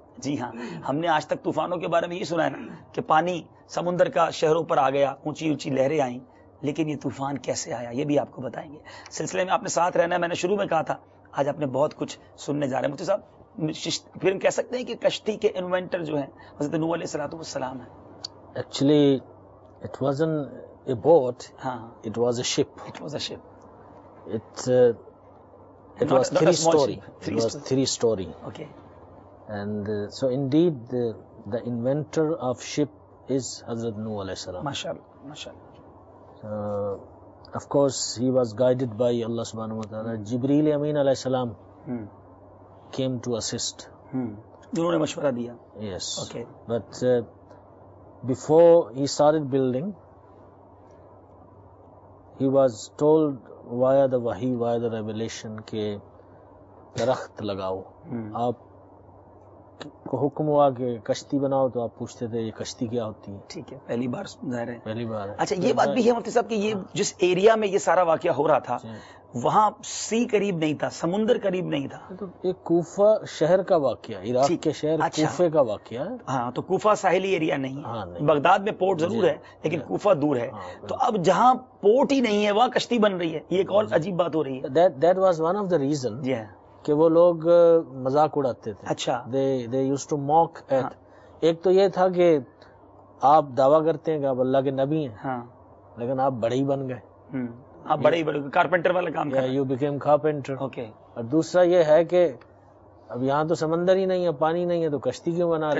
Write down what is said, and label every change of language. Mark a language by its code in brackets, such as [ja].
[ur] جی ہاں، ہم نے آج تک طوفانوں کے بارے میں یہ سنا ہے نا کہ پانی سمندر کا شہروں پر آ گیا، اونچی اونچی لہریں آئیں، لیکن یہ طوفان کیسے آیا یہ بھی آپ کو بتائیں گے. سلسلے میں آپ نے ساتھ رہنا ہے، میں نے شروع میں کہا تھا آج آپ نے بہت کچھ سننے جا رہے ہیں. مفتی صاحب پھر ہم کہہ سکتے ہیں کہ کشتی کے انوینٹر جو ہیں حضرت نوح علیہ الصلوۃ والسلام ہیں. [en] actually it was an a boat, [ur] ہاں [en] It was a ship, it was a ship, it was three story, it was three story. Okay, and so indeed the inventor of ship is Hazrat Nuh علیہ السلام. [ur] ماشاء اللہ, ماشاء اللہ. [en] Of course he was guided by Allah subhanahu wa ta'ala. Jibril Amin alayhi salam came to assist. [ur] Unhone mashwara diya. [en] Yes. Okay. But before he started building, he was told via the wahi, via the revelation, [ur] ke darakht lagao. Aap کو حکم ہوا کہ کشتی بناؤ تو آپ پوچھتے تھے یہ کشتی کیا ہوتی ہے. ٹھیک ہے, پہلی بار ظاہر ہے, پہلی بار. اچھا یہ بات بھی ہے مفتی صاحب کہ یہ جس ایریا میں یہ سارا واقعہ ہو رہا تھا وہاں سی قریب نہیں تھا, سمندر قریب نہیں تھا, ایک کوفہ شہر کا واقعہ, عراق کے شہر کوفہ کا واقعہ ہے. ہاں تو کوفہ ساحلی ایریا نہیں, بغداد میں پورٹ ضرور ہے لیکن کوفہ دور ہے. تو اب جہاں پورٹ ہی نہیں ہے وہاں کشتی بن رہی ہے, یہ ایک اور عجیب بات ہو رہی ہے. [en] that was one of the reason [ur] کہ وہ لوگ مذاق اڑاتے تھے. اچھا, [en] They use to mock at. [ur] ایک تو یہ تھا کہ آپ دعویٰ کرتے ہیں کہ آپ اللہ کے نبی ہیں, لیکن آپ بڑے ہی بن گئے, آپ بڑے ہی بن گئے, کارپینٹر والا کام کر رہے ہیں, [en] You became carpenter. Okay, [ur] اور دوسرا یہ ہے کہ اب یہاں تو سمندر ہی نہیں ہے, پانی نہیں ہے, تو کشتی کیوں بنا رہے ہیں,